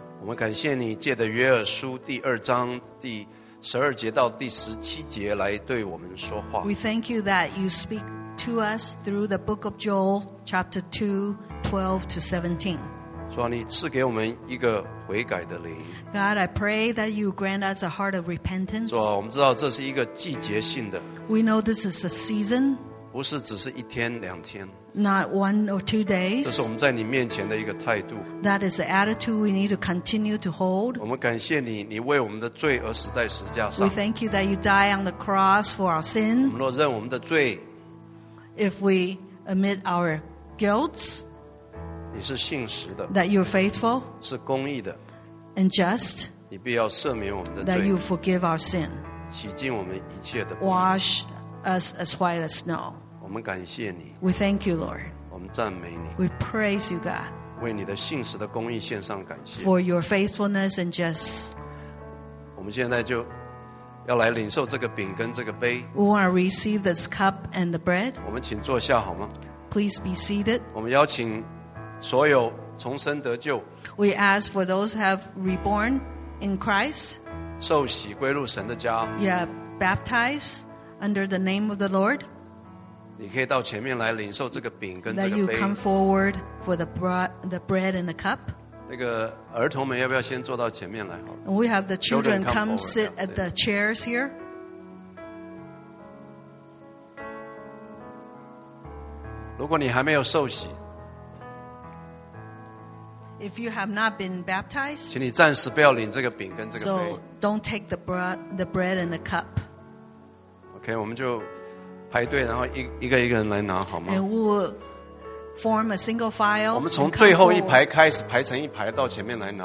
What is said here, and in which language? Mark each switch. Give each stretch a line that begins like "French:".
Chinese: 我们感谢你借着约珥书第二章第十二节到第十七节来对我们说话。
English: We thank you that you speak to us through the book of Joel, chapter 2, 12 to 17.
Chinese: 主啊，你赐给我们一个悔改的灵。
English: God, I pray that you grant us a heart of repentance.
Chinese: 主啊，我们知道这是一个季节性的。
English: We know this is a season.
Chinese: 不是只是一天两天。
English: Not one or two days.
Chinese: 这是我们在你面前的一个态度。
English: That is the attitude we need to continue to hold.
Chinese: 我们感谢你，你为我们的罪而死在十字架上。
English: We thank you that you die on the cross for our sin.
Chinese: 我们若认我们的罪
English: ，If we admit our guilts.
Chinese: 你是信实的
English: that you're faithful
Chinese: 是公义的
English: and just
Chinese: 你必要赦免我们的罪
English: that you forgive our sin
Chinese: 洗净我们一切的
English: wash us as white as snow
Chinese: 我们感谢你
English: we thank you Lord
Chinese: 我们赞美你
English: we praise you God
Chinese: 为你的信实的公义献上感谢
English: for your faithfulness and just
Chinese: 我们现在就要来领受这个饼跟这个杯
English: we want to receive this cup and the bread
Chinese: 我们请坐下好吗
English: please be seated
Chinese: 我们邀请所有重生得救
English: We ask for those who have reborn in Christ
Chinese: 受洗归入神的家
English: Yeah, baptized under the name of the Lord
Chinese: 你可以到前面来领受这个饼跟这个杯
English: That you come forward for the bread and the cup
Chinese: 那个儿童们要不要先坐到前面来
English: We have the children come sit at the chairs here yeah.
Chinese: 如果你还没有受洗
English: If you have not been baptized,
Chinese: 请你暂时不要领这个饼跟这个杯。
English: So don't take the bread and the cup.
Chinese: Okay, 我们就排队，然后一个一个人来拿，好吗
English: ？And we'll form a single file.
Chinese: 我们从最后一排开始排成一排到前面来拿。